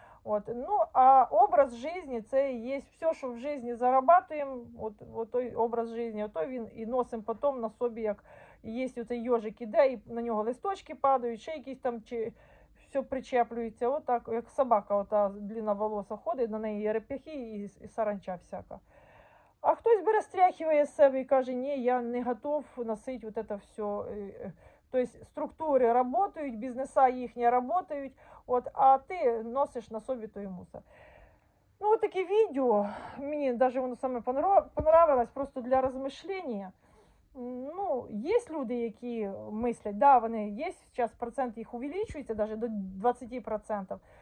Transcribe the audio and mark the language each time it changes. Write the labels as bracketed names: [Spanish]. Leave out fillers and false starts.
[Ukrainian] От, ну, а образ житті це і є все, що в житті заробляємо, от той образ житті, от той він і носимо потім на собі, як є оцей йожик іде, і на нього листочки падають, ще якісь там, чи все причеплюється, отак, як собака ота длинна волоса ходить, на неї і репяхи, і саранча всяка. А хтось бере [Russian] растряхивает себя и каже, не, я не готов носить вот это все. [Ukrainian] То есть структури работають, бізнеса їхні работають, от, а ти носиш на собі той мусор. Ну, от таке відео, мені навіть воно саме понравилось, просто для розмишлення. Ну, є люди, які мислять, да, вони є, зараз процент їх увеличується, навіть до 20%.